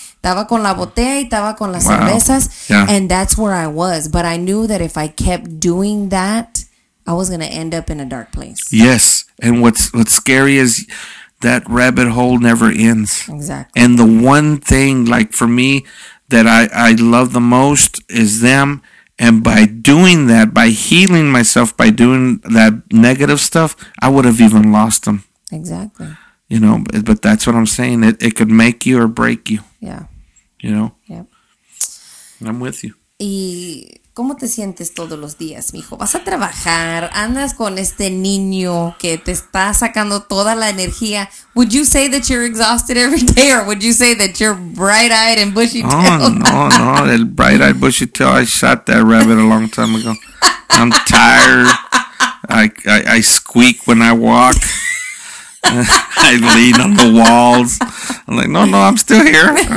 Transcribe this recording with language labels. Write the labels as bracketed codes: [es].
[es] Estaba con la botella y estaba con las cervezas. [en] Yeah. And that's where I was. But I knew that if I kept doing that, I was going to end up in a dark place. Yes. And what's scary is that rabbit hole never ends. Exactly. And the one thing, like for me, that I love the most is them. And by doing that, by healing myself, by doing that negative stuff, I would have even lost them. Exactly. You know, but that's what I'm saying. It could make you or break you. Yeah. You know? Yep. I'm with you. [es] ¿Y cómo te sientes todos los días, mijo? ¿Vas a trabajar? ¿Andas con este niño que te está sacando toda la energía? [en] Would you say that you're exhausted every day, or would you say that you're bright-eyed and bushy-tailed? Oh, no, el bright-eyed, bushy-tailed. I shot that rabbit a long time ago. I'm tired. I squeak when I walk. I lean on the walls. I'm like, no, I'm still here.